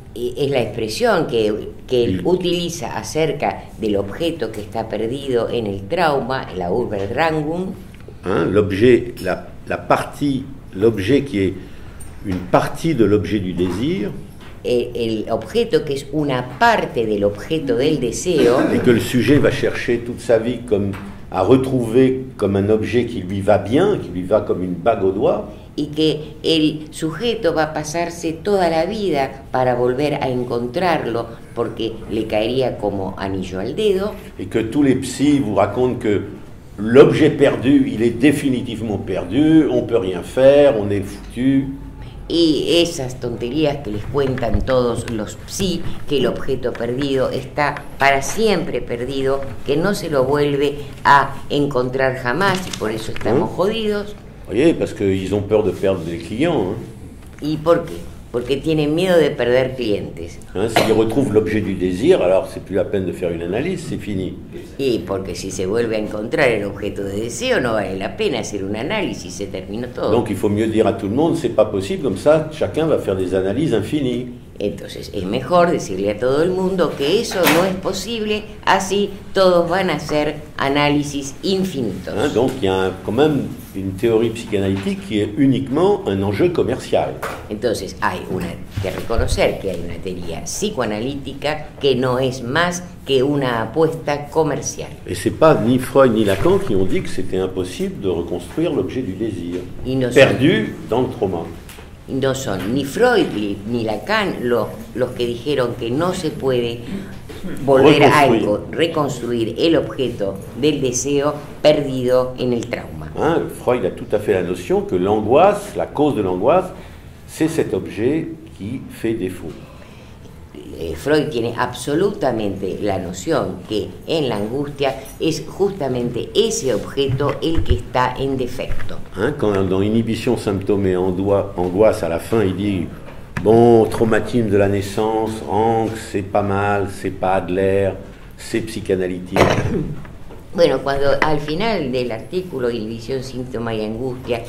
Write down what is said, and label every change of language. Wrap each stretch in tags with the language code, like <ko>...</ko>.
<es>Es la expresión que él utiliza acerca del objeto que está perdido en el trauma, la Urverdrangung.</es> <fr>Hein, l'objet, la, la partie, l'objet qui est une partie de l'objet du désir.</fr> <es>El objeto que es una parte del objeto del deseo.</es> <fr>Et que le sujet va chercher toute sa vie comme à retrouver comme un objet qui lui va bien, qui lui va comme une bague au doigt.</fr> <es>Y que el sujeto va a pasarse toda la vida para volver a encontrarlo porque le caería como anillo al dedo. Y que todos los psis</es> <fr>vous racontent que l'objet perdu, il est définitivement perdu, on peut rien faire, on est foutu.</fr> <es>Y esas tonterías que les cuentan todos los psi, que el objeto perdido está para siempre perdido, que no se lo vuelve a encontrar jamás y por eso estamos jodidos.</es> <fr>Oye, parce qu'ils ont peur de perdre des clients. Hein.</fr> <es>¿Y por qué? Porque tienen miedo de perder clientes.</es> <fr>Hein, si ils retrouvent l'objet du désir, alors c'est plus la peine de faire une analyse, c'est fini.</fr> <es>Y porque si se vuelve a encontrar el objeto de deseo, no vale la pena hacer un análisis, se terminó todo.</es> <fr>Donc il faut mieux dire à tout le monde, c'est pas possible, comme ça chacun va faire des analyses infinies.</fr> <es>Entonces es mejor decirle a todo el mundo que eso no es posible, así todos van a hacer análisis infinitos.</es> <fr>Hein, donc il y a quand même une théorie psychanalytique qui est uniquement un enjeu commercial.</fr> <es>Entonces hay una que reconocer que hay una teoría psicoanalítica que no es más que una apuesta comercial.</es> <fr>Et c'est pas ni Freud ni Lacan qui ont dit que c'était impossible de reconstruire l'objet du désir perdu dans le trauma.</fr> <es>No son ni Freud ni Lacan los que dijeron que no se puede volver a algo, reconstruir el objeto del deseo perdido en el trauma.</es> <fr>Hein, Freud a tout à fait la notion que l'angoisse, la cause de l'angoisse, c'est cet objet qui fait défaut.</fr> <es>Freud tiene absolutamente la noción que en la angustia es justamente ese objeto el que está en defecto.</es> <fr>Hein, quand dans inhibition, symptôme et angoisse, à la fin, il dit bon, traumatisme de la naissance, rancre, c'est pas mal, c'est pas Adler, c'est psychanalytique.</fr> <es>Bueno, cuando al final del artículo Inhibición, síntoma y angustia...</es>